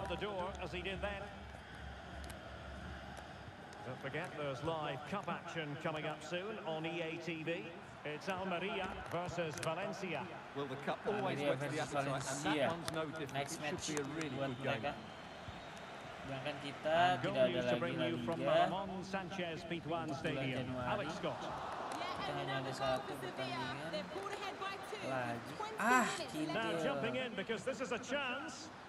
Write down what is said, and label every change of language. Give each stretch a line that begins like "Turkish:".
English: To the door, as he did then. Don't forget, there's live cup action coming up soon on EA TV. It's Almeria versus Valencia. Well, the cup always works for the appetite, and that one's no different. Next match should be a really good game.
Indonesian: Sedangkan kita tidak ada lagi La Liga. Kebetulan Januari. Kita hanya ada satu pertandingan lagi. Ah, kita.
English: Now jumping in because this is a chance.